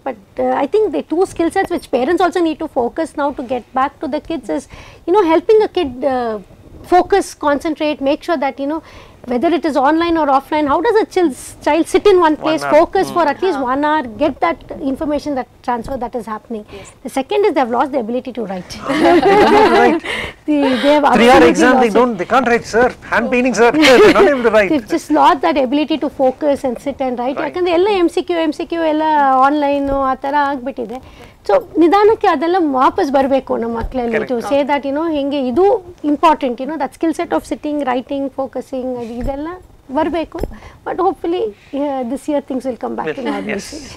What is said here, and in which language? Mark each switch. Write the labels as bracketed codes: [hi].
[en] But I think the two skill sets which parents also need to focus now to get back to the kids is you know helping a kid focus, concentrate, make sure that you know whether it is online or offline, how does a child sit in one place, focus for at least 1 hour, get that information, that transfer that is happening? The second is they have lost the ability to write. They don't write. They have 3 hour exam, they can't write, sir. Hand painting, sir. They are not able to write. They've just lost that ability to focus and sit and write. [kn] Yakandre ella MCQ ella online athara aagibittide. So ನಿಧಾನಕ್ಕೆ ಅದೆಲ್ಲ ವಾಪಸ್ ಬರಬೇಕು ನಮ್ಮ ಮಕ್ಕಳಲ್ಲಿ. [en] to say that you know [kn] ಹೆಂಗೆ ಇದು important, [en] you know that skill set of sitting, writing, focusing, [kn] ಅದು ಇದೆಲ್ಲ ಬರಬೇಕು. [en] But hopefully this year things will come back in our days.